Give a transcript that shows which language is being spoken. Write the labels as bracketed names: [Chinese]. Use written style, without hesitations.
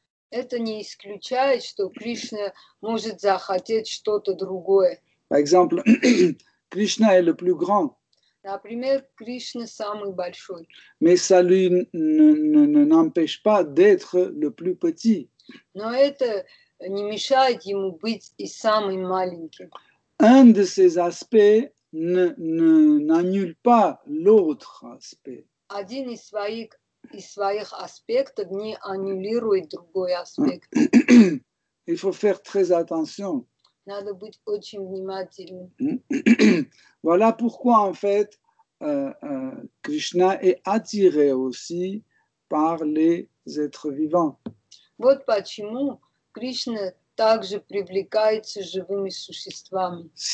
[Russian] Это не исключает, что Кришна может захотеть что-то другое. [French] Par exemple, Krishna est le plus grand. [Russian] Например, Кришна самый большой. [French] Mais ça lui n'empêche pas d'être le plus petit. [Russian] Но это не мешает ему быть и самым маленьким. [French] Un de ses aspects n'annule pas l'autre aspect. [Russian] Один из своих аспектов не аннулирует другой аспект. [French] Il faut faire très attention. [Russian] Надо быть очень внимательным. [French] Voilà pourquoi en fait Krishna est attiré aussi par les êtres vivants. [Russian] Вот почему Кришна также привлекается живыми существами.